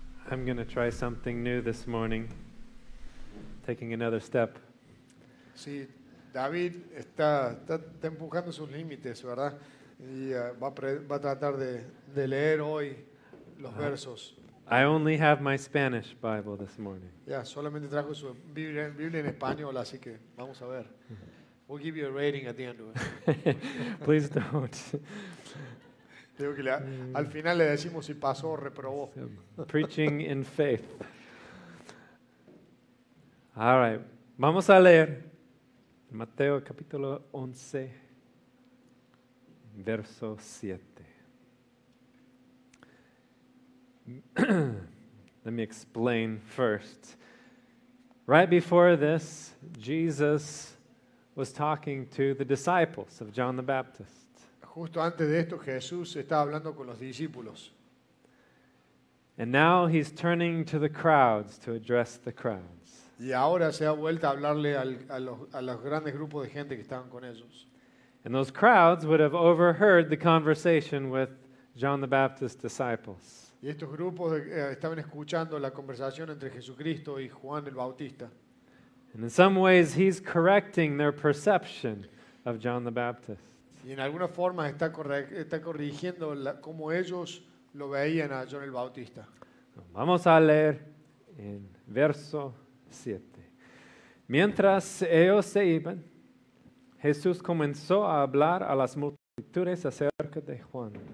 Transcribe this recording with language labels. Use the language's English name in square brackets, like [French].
[English] I'm going to try something new this morning, taking another step. [Spanish] Sí, David está empujando sus límites, ¿verdad? Y va a tratar de leer hoy los versos. [English] I only have my Spanish Bible this morning. Yeah, [Spanish] solamente trajo su Biblia en español, así que vamos a ver. [English] We'll give you a rating at the end of it. Please don't. [Spanish] Digo que al final le decimos si pasó o reprobó. [English] Preaching in faith. All right, [Spanish] vamos a leer Mateo capítulo 11, verso 7. [English] Let me explain first. Right before this, Jesus was talking to the disciples of John the Baptist. [Spanish] Justo antes de esto, Jesús estaba hablando con los discípulos. [English] And now he's turning to the crowds to address the crowds. [Spanish] Y ahora se ha vuelto a hablarle a los grandes grupos de gente que estaban con ellos. [English] And those crowds would have overheard the conversation with John the Baptist's disciples. [Spanish] Y estos grupos estaban escuchando la conversación entre Jesucristo y Juan el Bautista. [English] And in some ways, he's correcting their perception of John the Baptist. [Spanish] Y en alguna forma está corrigiendo cómo ellos lo veían a John el Bautista. Vamos a leer en verso 7. Mientras ellos se iban, Jesús comenzó a hablar a las multitudes acerca de Juan.